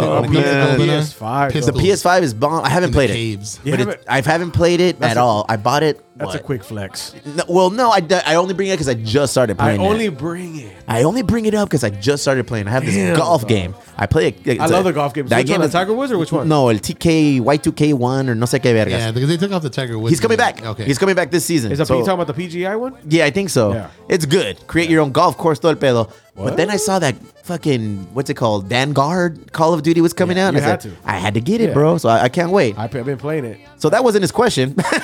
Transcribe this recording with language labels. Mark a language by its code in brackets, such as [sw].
[en] The PS5 is bomb. I haven't played it. I haven't played it at all. I bought it. That's a quick flex. I only bring it because I just started playing it. I only bring it up because I just started playing. I have this golf game. I play it. I love the golf game. Is it Tiger Woods or which one? [es] No, el TK, Y2K1 or no sé qué vergas. [en] Yeah, because they took off the Tiger Woods. He's coming back. Okay. He's coming back this season. Are you talking about the PGI one? Yeah, I think so. Yeah. It's good. Create your own golf course, [es] todo el pedo. [en] What? But then I saw that fucking, what's it called? Vanguard Call of Duty was coming out. I had to get it, bro. So I can't wait. I've been playing it. So that wasn't his question.